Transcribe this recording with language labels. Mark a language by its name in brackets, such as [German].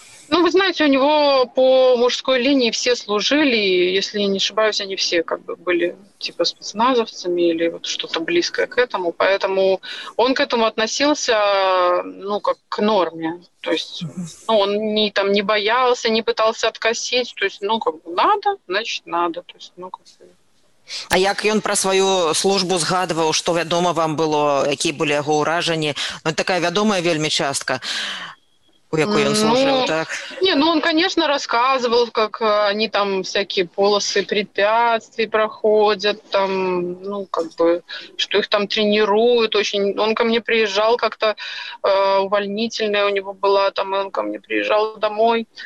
[Russian] Ну, вы знаете, у него по мужской линии все служили, если не ошибаюсь, они все как бы были типа спецназовцами или вот что-то близкое к этому, поэтому он к этому относился, ну, как к норме, то есть ну, он не там не боялся, не пытался откосить, то есть, ну, как бы надо, значит, надо, то есть, ну, как бы. [Belarusian] А як ён пра сваю службу згадваў, што вядома вам было, якія былі яго ўражанні? Ну, такая вядомая вельмі частка. [Russian] У якой он служил, ну, так? Не, ну он, конечно, рассказывал, как они там всякие полосы препятствий проходят, там, ну, как бы, что их там тренируют очень. Он ко мне приезжал как-то, увольнительная у него была там, и он ко мне приезжал домой.